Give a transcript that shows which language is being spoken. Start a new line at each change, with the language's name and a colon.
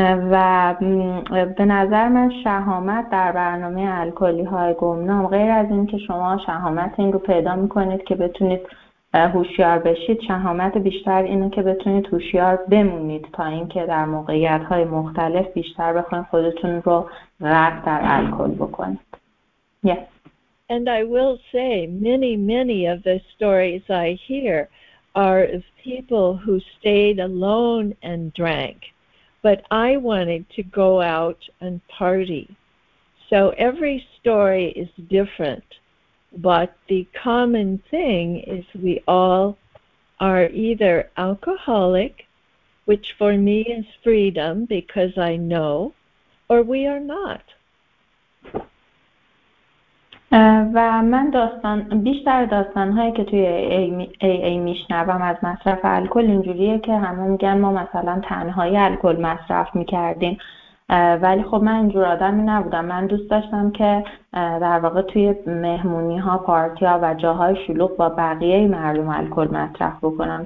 Persian: و به نظر من شهامت در برنامه الکلی های گمنام غیر از این که شما شهامت این رو پیدا میکنید که بتونید هوشیار بشید، شهامت بیشتر اینه که بتونید هوشیار بمونید تا اینکه در موقعیت های مختلف بیشتر بخواید خودتون رو غرق در الکل بکنید.
English: Yes. And I will say many, many of the stories I hear are of people who stayed alone and drank. But I wanted to go out and party. So every story is different. But the common thing is we all are either alcoholic, which for me is freedom because I know, or we are not.
Persian: و من داستان بیشتر داستان هایی که توی AA میشنوم از مصرف الکل اینجوریه که همه میگن ما مثلا تنهایی الکل مصرف میکردیم، ولی خب من اینجور آدمی نبودم. من دوست داشتم که در واقع توی مهمونی ها، پارتی ها و جاهای شلوغ با بقیه مردم الکل مصرف بکنم.